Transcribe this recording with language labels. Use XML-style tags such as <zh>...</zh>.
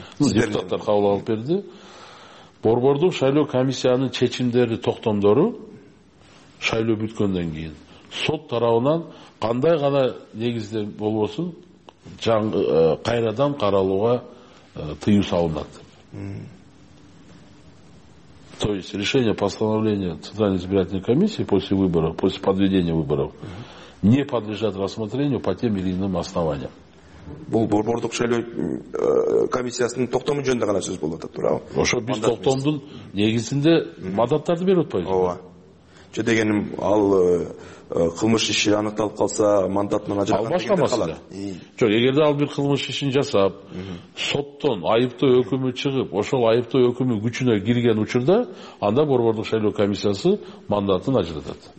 <ky>Депутаттар кабыл алып берди. Борбордук шайлоо комиссиянын чечимдери, токтомдору шайлоо бүткөндөн кийин сот тарабынан кандай гана негизде болбосун кайрадан каралууга тыюу салынат.</ky> <ru>То есть решение, постановление Центральной избирательной комиссии после выборов, после подведения выборов не подлежат рассмотрению по тем или иным основаниям.</ru> <ky>Бул борбордук шайлоо комиссиясынын токтому жөнүндө гана сөз болуп атат, туурабы? Ошо биз токтомдун негизинде мандаттарды берип атпайбызбы? Ооба. Же дегеним ал кылмыш иши аныкталып калса мандатынан ажыраган башка маселе. Жок, эгерде ал бир кылмыш ишин жасап соттон айыптоо өкүмү чыгып ошол айыптоо өкүмү күчүнө кирген учурда анда борбордук шайлоо комиссиясы мандатын ажыратат.</ky>